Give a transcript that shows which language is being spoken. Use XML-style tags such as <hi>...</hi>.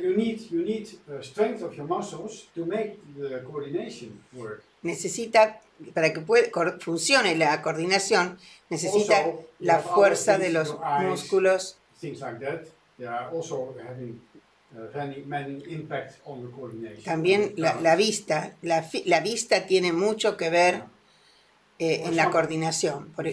<en>You need strength of your muscles to make the coordination work.</en> <es>Necesita, para que puede, funcione la coordinación, necesita</es> <en>also,</en> <es>la fuerza de los músculos.</es> <en>Eyes, things like that, they are also having many impact on the coordination.</en> <es>También la vista, la vista tiene mucho que ver en la coordinación.</es>